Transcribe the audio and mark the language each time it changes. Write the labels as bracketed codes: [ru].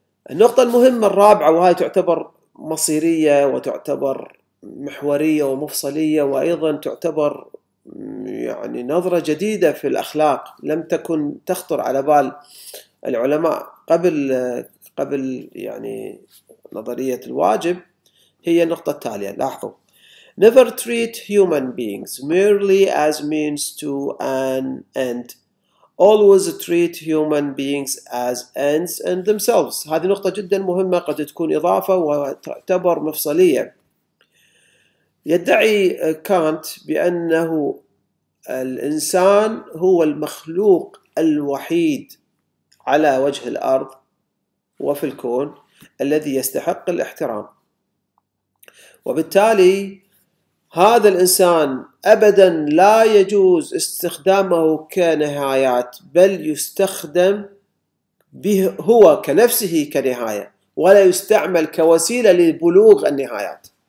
[ar] النقطة المهمة الرابعة، وهي تعتبر مصيرية وتعتبر محورية ومفصلية وأيضا تعتبر يعني نظرة جديدة في الأخلاق لم تكن تخطر على بال العلماء قبل يعني نظرية الواجب، هي النقطة التالية. لاحظوا: [en] Never treat human beings merely as means to an end. Always treat human beings as ends and themselves. [ar] هذه نقطة جدا مهمة، قد تكون إضافة وتعتبر مفصلية. يدعي كانت بأنه الإنسان هو المخلوق الوحيد على وجه الأرض وفي الكون الذي يستحق الاحترام، وبالتالي هذا الإنسان أبدا لا يجوز استخدامه كنهايات، بل يستخدم به هو كنفسه كنهاية، ولا يستعمل كوسيلة لبلوغ النهايات.